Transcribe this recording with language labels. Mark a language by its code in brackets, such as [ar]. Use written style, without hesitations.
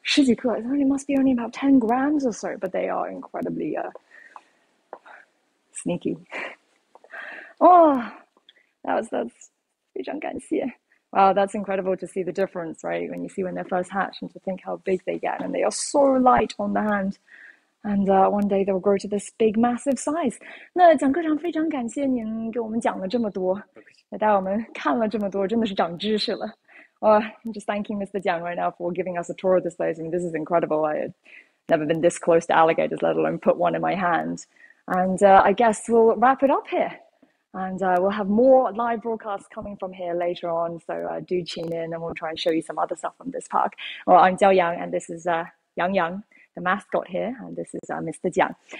[zh] 十几克。 [en] It must be only about 10 grams or so, but they are incredibly sneaky. Oh, that's [zh] 非常感谢。 [en] Wow, that's incredible to see the difference, right? When you see when they're first hatched and to think how big they get. And they are so light on the hand. And one day they'll grow to this big, massive size. [zh] 那蒋科长非常感谢您给我们讲了这么多，不客气。也带我们看了这么多，真的是长知识了。 [en] I'm just thanking Mr. Jiang right now for giving us a tour of this place. I mean, this is incredible. I had never been this close to alligators, let alone put one in my hand. And I guess we'll wrap it up here. And we'll have more live broadcasts coming from here later on. So do tune in and we'll try and show you some other stuff from this park. Well, I'm Jiao Yang and this is Yang Yang, the mascot here. And this is Mr. Jiang.